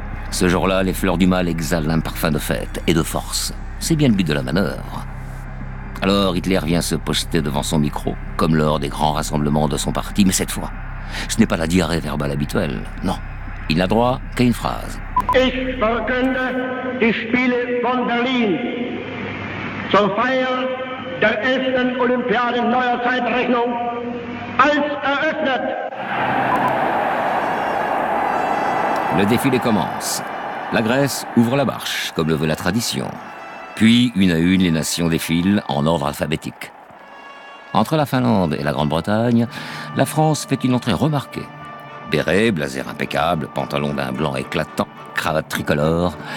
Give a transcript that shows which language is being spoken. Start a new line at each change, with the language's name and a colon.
French: Ce jour-là, les fleurs du mal exhalent un parfum de fête et de force. C'est bien le but de la manœuvre. Alors Hitler vient se poster devant son micro, comme lors des grands rassemblements de son parti, mais cette fois, ce n'est pas la diarrhée verbale habituelle, non. Il n'a droit qu'à une phrase.
German: Ich verkünde die Spiele von Berlin zur Feier der 11. Olympiade neuer Zeitrechnung als eröffnet.
French: Le défilé commence. La Grèce ouvre la marche, comme le veut la tradition. Puis, une à une, les nations défilent en ordre alphabétique. Entre la Finlande et la Grande-Bretagne, la France fait une entrée remarquée. Béret, blazer impeccable, pantalon d'un blanc éclatant, cravate tricolore.